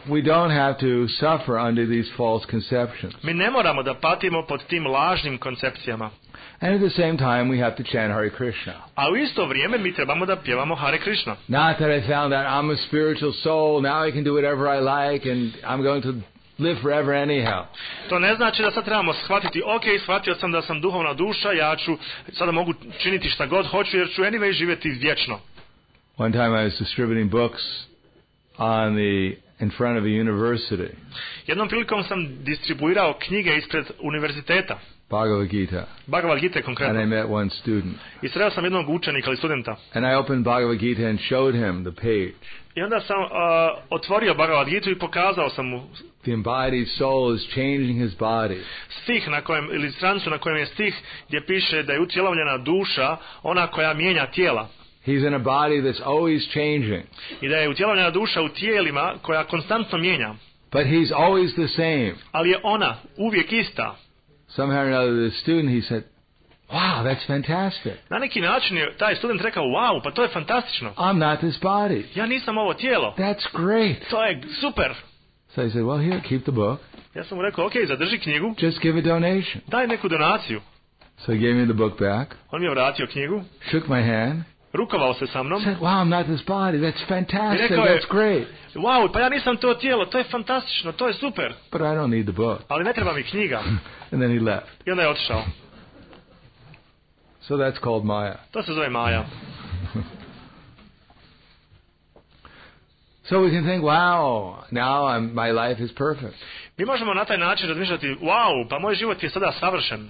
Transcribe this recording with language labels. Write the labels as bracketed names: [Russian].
[English] We don't have to suffer under these false conceptions. [Bosnian] Mi ne moramo da patimo pod tim lažnim koncepcijama. [English] And at the same time we have to chant Hare Krishna. [Bosnian] A u isto vrijeme mi trebamo da pjevamo Hare Krishna. [English] Not that I found that I'm a spiritual soul, now I can do whatever I like and I'm going to live forever anyhow. [Bosnian] To ne znači da sad trebamo shvatiti, ok, shvatio sam da sam duhovna duša, ja ću sada mogu činiti šta god hoću jer ću anyway živjeti vječno. [English] One time I was distributing books on the in front of a university. [Bosnian] Jednom prilikom sam distribuirao knjige ispred univerziteta. [English] Bhagavad Gita [Bosnian] konkretno. [English] And I met one student. [Bosnian] I sreo sam jednog učenika ili studenta. [English] And I opened Bhagavad Gita and showed him the page. [Bosnian] I onda sam otvorio Bhagavad Gita i pokazao sam mu. [English] The embodied soul is changing his body. [Bosnian] Stih na kojem ili strancu na kojem je stih gdje piše da je utjelovljena duša ona koja mijenja tijela. [English] He's in a body that's always changing. [Bosnian] I da je utjelovljena duša u tijelima koja konstantno mijenja. [English] But he's always the same. [Bosnian] Ali je ona uvijek ista. [English] Somehow or another, the student, he said, wow, that's fantastic. [Bosnian] Na neki način je taj student rekao, wow, pa to je fantastično. [English] I'm not this body. [Bosnian] Ja nisam ovo tijelo. [English] That's great. [Bosnian] To je super. [English] So he said, well, here, keep the book. [Bosnian] Ja sam mu rekao, ok, zadrži knjigu. [English] Just give a donation. [Bosnian] Daj neku donaciju. [English] So he gave me the book back. [Bosnian] On mi je vratio knjigu. [English] Shook my hand. [Bosnian] Rukovao se sa mnom. [English] Said, wow, I'm not this body. That's fantastic. Rekao, that's great. [Bosnian] Wow, pa ja nisam to tijelo. To je fantastično. To je super. [English] But I don't need the book. [Bosnian] Ali ne treba mi knjiga. [English] And then he left. [Bosnian] I onda je otišao. [English] So that's called Maya. [Bosnian] To se zove Maya. [English] So we can think, wow, now my life is perfect. [Bosnian] Mi možemo na taj način razmišljati, wow, pa moj život je sada savršen.